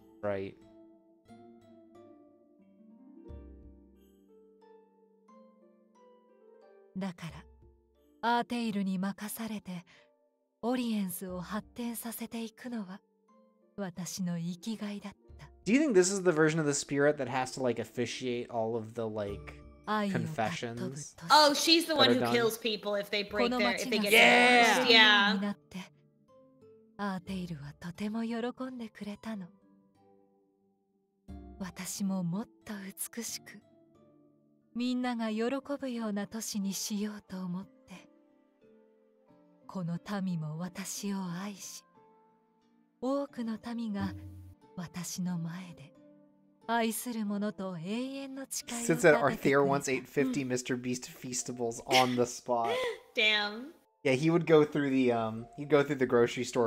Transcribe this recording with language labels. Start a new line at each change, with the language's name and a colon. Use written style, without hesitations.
English: Right.
Japanese: だからアーテイルに任されてオリエンスを発展させていくのは私の生きがいだった。
English: Do you think this is the version of the spirit that has to like officiate all of the like confessions? Oh, she's the one who kills people if they break their if they get divorced. Yeah.
Japanese: アーテイルはとても喜んでくれたの。私ももっと美しく。みんなが喜ぶような都市にしようと思って、この民も私を愛し、多くの民が私の前で愛する者と永遠の誓いを
English: Since that Arthur once ate 50 Mr. Beast Feastables on the spot. Damn. Yeah, he would go through the, he'd go through the grocery store.